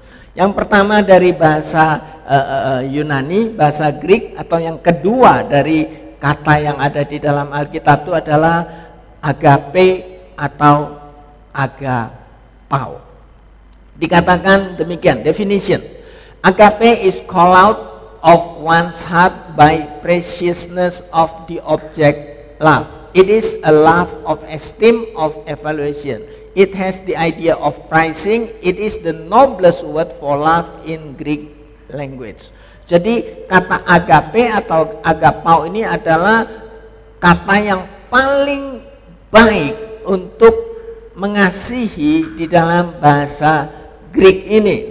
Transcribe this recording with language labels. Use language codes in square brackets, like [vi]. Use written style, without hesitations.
[id] Yang pertama dari bahasa Yunani, bahasa Greek, atau yang kedua dari kata yang ada di dalam Alkitab itu adalah agape atau agapao. Dikatakan demikian, definition. [en] Agape is call out of one's heart by preciousness of the object love. It is a love of esteem, of evaluation. It has the idea of pricing. It is the noblest word for love in Greek language. [id] Jadi kata agape atau agapao ini adalah kata yang paling baik untuk mengasihi di dalam bahasa Greek ini.